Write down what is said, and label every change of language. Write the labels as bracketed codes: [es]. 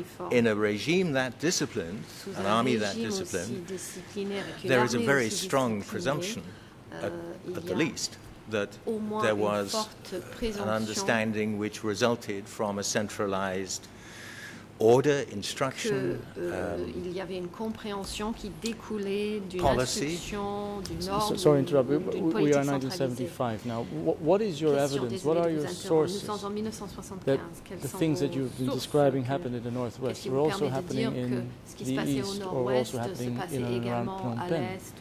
[en] in a regime that disciplined, an army that disciplined, there is a very strong presumption, at the least, that there was an understanding which resulted from a centralized order, instruction, [fr] il y avait une compréhension qui découlait d'une [en] policy. [fr] Instruction, d'une norme, [en] sorry to interrupt, we are in 1975 now. What is your evidence? What are your sources that the things that you've been describing happened in the Northwest were also happening in the East or also happening in and around Phnom Penh?